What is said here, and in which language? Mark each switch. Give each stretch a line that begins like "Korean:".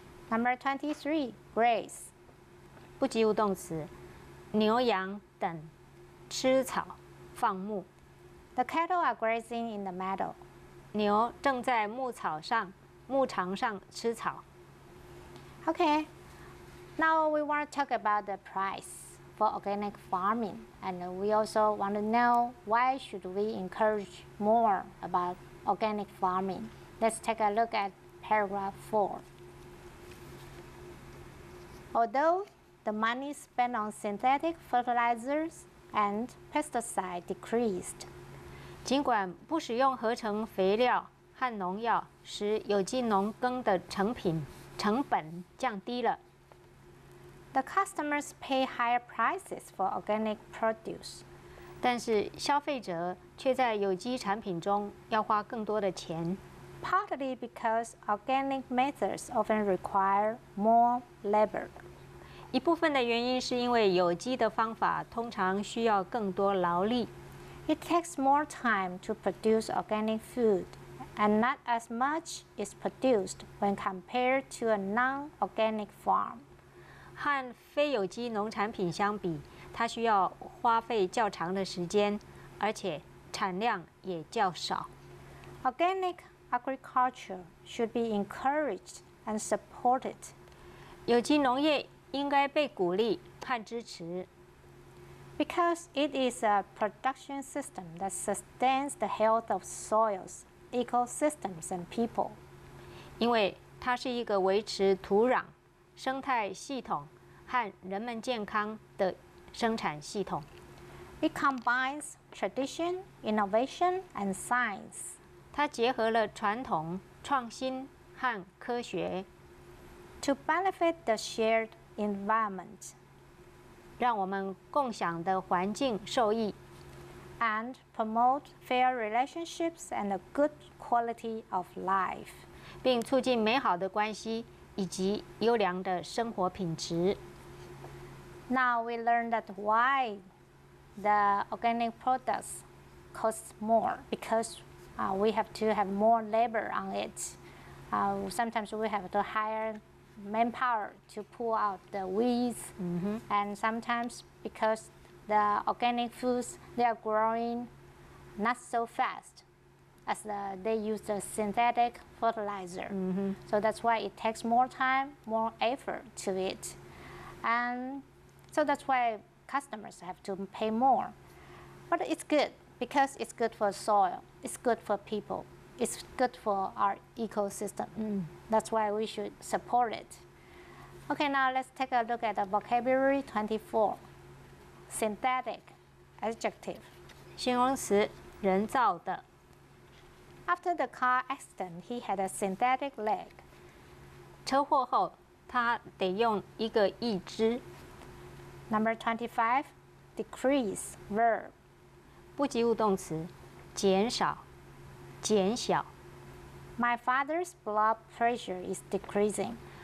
English: Number 23, graze.
Chinese: 不及物动词，牛羊等，吃草，放牧。
English: The cattle are grazing in the meadow.
Chinese: 牛正在牧草上，牧场上吃草。
English: Okay, now we want to talk about the price for organic farming, and we also want to know why should we encourage more about organic farming. Let's take a look at paragraph 4. Although the money spent on synthetic fertilizers and pesticides decreased,
Chinese: 尽管不使用合成肥料和农药，使有机农耕的成本降低了。
English: The customers pay higher prices for organic produce.
Chinese: 但是消费者却在有机产品中要花更多的钱。
English: Partly because organic methods often require more labor.
Chinese: 一部分的原因是因为有机的方法通常需要更多劳力。
English: It takes more time to produce organic food, and not as much is produced when compared to a non-organic farm.
Chinese: 和非有机农产品相比，它需要花费较长的时间，而且产量也较少。
English: Organic agriculture should be encouraged and supported.
Chinese: 有机农业应该被鼓励和支持。
English: Because it is a production system that sustains the health of soils, ecosystems, and people.
Chinese: 因为它是一个维持土壤、生态系统。和人们健康的生产系统。
English: It combines tradition, innovation, and science.
Chinese: 它结合了传统、创新和科学。
English: To benefit the shared environment.
Chinese: 让我们共享的环境受益。
English: And promote fair relationships and a good quality of life.
Chinese: 并促进美好的关系以及优良的生活品质。
English: Now we learned that why the organic products cost more because we have to have more labor on it. Sometimes we have to hire manpower to pull out the weeds. Mm-hmm. And sometimes because the organic foods, they are growing not so fast as they use the synthetic fertilizer. Mm-hmm. So that's why it takes more time, more effort to it. And... So that's why customers have to pay more. But it's good because it's good for soil, it's good for people, it's good for our ecosystem. Mm. That's why we should support it. Okay, now let's take a look at the vocabulary 24. Synthetic, adjective.
Chinese: 形容词，人造的。
English: After the car accident, he had a synthetic leg.
Chinese: 车祸后，他得用一个义肢。
English: Number 25, decrease, verb.
Chinese: 不及物动词，减少，减小。
English: My father's blood pressure is decreasing.